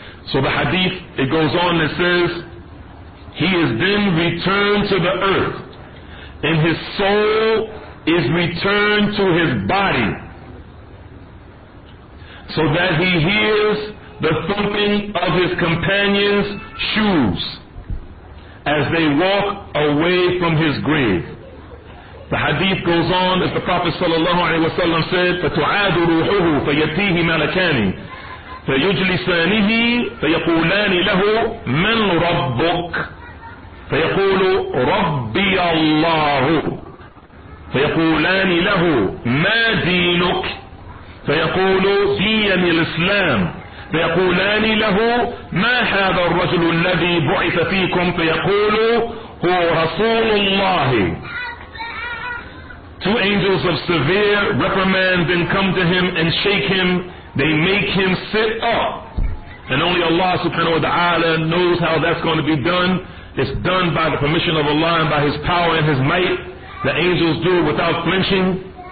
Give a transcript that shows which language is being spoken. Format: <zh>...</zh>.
<en>So the hadith, it goes on and says, he is then returned to the earth, and his soul is returned to his body, so that he hears the thumping of his companions' shoes, as as they walk away from his grave. The hadith goes on, as the Prophet sallallahu alaihi wasallam said,</en> <ar>فَتُعَادُ رُوحُهُ فَيَتِيهِ مَلَكَانِ فَيُجْلِسَانِهِ فَيَقُولَانِ لَهُ مَنْ رَبُّكَ فَيَقُولُ رَبِّيَ اللَّهُ فَيَقُولَانِ لَهُ مَا دِينُكَ فَيَقُولُ دِينِ الْإِسْلَامِ فيقولان له ما هذا الرجل الذي بعث فيكم فيقول هو رسول الله.</ar> <en>Two angels of severe reprimand then come to him and shake him. They make him sit up. And only Allah subhanahu wa ta'ala knows how that's going to be done. It's done by the permission of Allah and by his power and his might. The angels do it without flinching.</en>